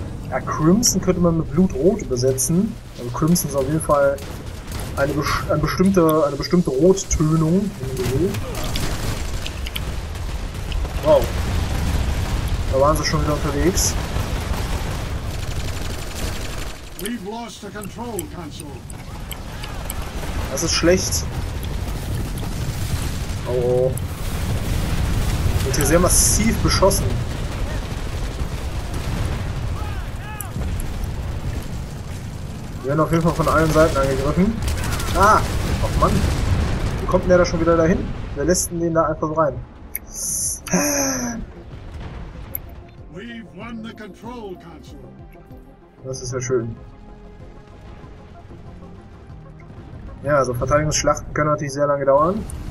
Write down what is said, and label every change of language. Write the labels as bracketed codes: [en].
[de] Ja, Crimson könnte man mit Blutrot übersetzen. Also Crimson ist auf jeden Fall eine bestimmte Rottönung. Wow. Da waren sie schon wieder unterwegs. [en] We've lost the control console. [de] Das ist schlecht. Oh. Wird hier sehr massiv beschossen. Wir werden auf jeden Fall von allen Seiten angegriffen. Ah! Och Mann! Wie kommt denn der da schon wieder dahin? Wer lässt denn den da einfach so rein? [en] We've won the control console. [de] Das ist ja schön. Ja, also Verteidigungsschlachten können natürlich sehr lange dauern.